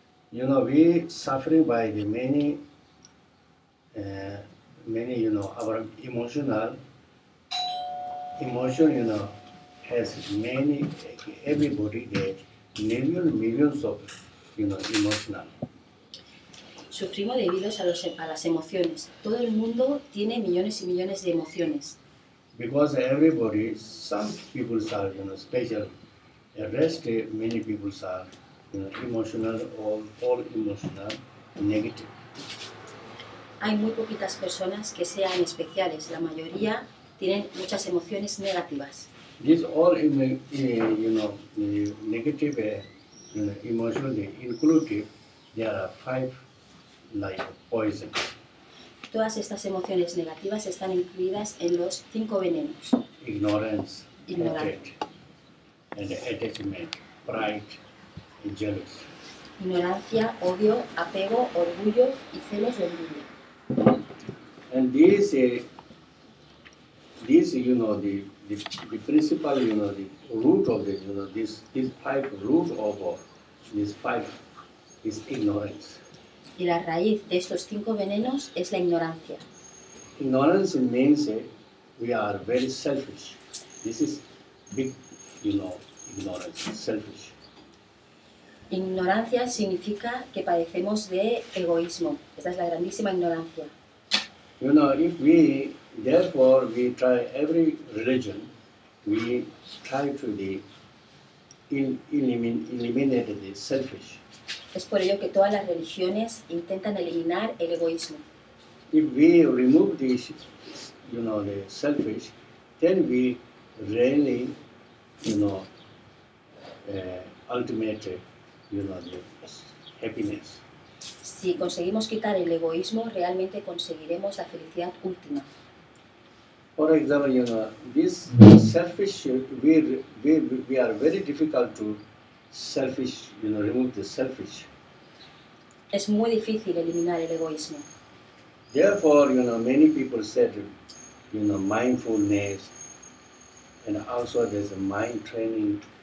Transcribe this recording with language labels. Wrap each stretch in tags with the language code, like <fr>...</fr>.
<en>You know, we suffering by the many, many, you know, our emotion, you know, has many, everybody that millions of, you know, emotional.</en> <es>Sufrimos debido a las emociones. Todo el mundo tiene millones y millones de emociones.</es> <en>Because everybody, some people are, you know, special. The rest, many people are, you know, emotional or all emotional negative.</en> <es>Hay muy poquitas personas que sean especiales. La mayoría tienen muchas emociones negativas.</es> <en>These all, you know, negative, you know, emotions included, there are five like poisons.</en> <es>Todas estas emociones negativas están incluidas en los cinco venenos.</es> <en>Ignorance, hatred, and attachment, pride, and jealousy.</en> <es>Ignorancia, odio, apego, orgullo y celos de envidia.</es> <en>And this, you know, the principal, you know, the root of this, you know, this five root of this five is ignorance.</en> <es>Y la raíz de estos cinco venenos es la ignorancia.</es> <en>Ignorance means we are very selfish. This is big, you know, ignorance, selfish.</en> <es>Ignorancia significa que padecemos de egoísmo. Esta es la grandísima ignorancia.</es> <en>You know, if we, therefore, we try every religion, we try to be eliminate the selfish.</en> <es>Es por ello que todas las religiones intentan eliminar el egoísmo.</es> <en>If we remove this, you know, the selfish, then we really, you know, ultimate, you know, the happiness.</en> <es>Si conseguimos quitar el egoísmo, realmente conseguiremos la felicidad última.</es> <en>For example, you know, this selfish, we are very difficult to selfish, you know, remove the selfish.</en> <es>Es muy difícil eliminar el egoísmo.</es> <en>Therefore, you know, many people said, you know, mindfulness and also there's a mind training.</en>